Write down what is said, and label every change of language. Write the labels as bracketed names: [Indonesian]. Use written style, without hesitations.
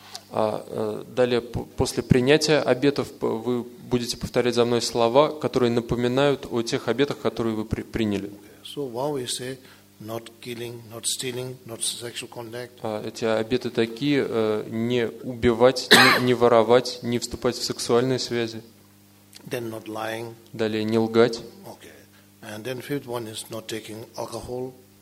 [Russian] Далее, после принятия обетов, вы будете повторять за мной слова, которые напоминают о тех обетах, которые вы приняли. [English] Okay. So vow is a not killing, not stealing, not sexual contact. [Russian] Эти обеты такие, не убивать, не воровать, не вступать в сексуальные связи. [English] Then not lying. [Russian] Далее не лгать. [English] Okay. And then 5th one is not taking alcohol.